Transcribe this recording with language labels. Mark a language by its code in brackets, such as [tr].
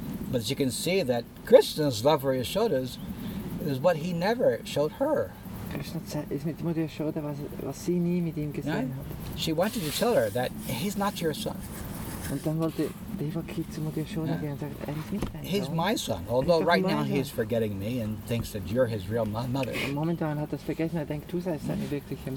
[en] But she can see that Krishna's love for Yashoda is what he never showed her. Right? She wanted to tell her that he's not your son. [de] Und dann wollte Devaki zu Mutter Yashoda gehen und sagt, er ist nicht dein Sohn. [en] He's my son, although right now he is forgetting me and thinks that you're his real mother. [de] Momentan hat er es vergessen, er denkt, du seist seine wirkliche Mutter.